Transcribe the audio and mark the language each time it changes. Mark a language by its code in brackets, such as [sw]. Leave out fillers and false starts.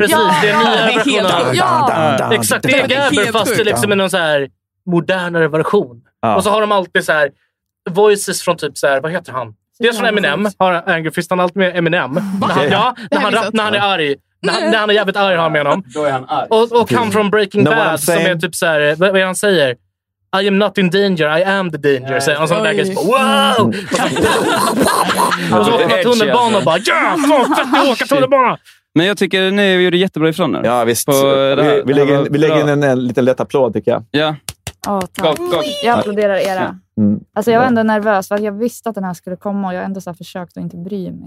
[sv] Precis, det är en nyare version. Exakt, det är Gabber fast det är liksom en så här modernare version. Och så har de alltid så här voices från typ så här, vad heter han? Det är från Eminem. Har Angry Fist han alltid med Eminem? När han är arg. När han är jävligt arg har med honom. Då är han arg. Och han från Breaking Bad som är typ så här, vad han säger? [en] I am not in danger, I am the danger. [sv] Yeah. Och så där guys, wow! Och så åker man tunnelbanan och bara, yeah, fan, fett att åka tunnelbanan! Men jag tycker ni gjorde jättebra ifrån nu. Ja, visst. Vi lägger in en liten lätt applåd, tycker jag. Ja. Åh, tack. Jag applåderar era. Alltså jag var ändå nervös för att jag visste att den här skulle komma och jag ändå så försökt att inte bry mig.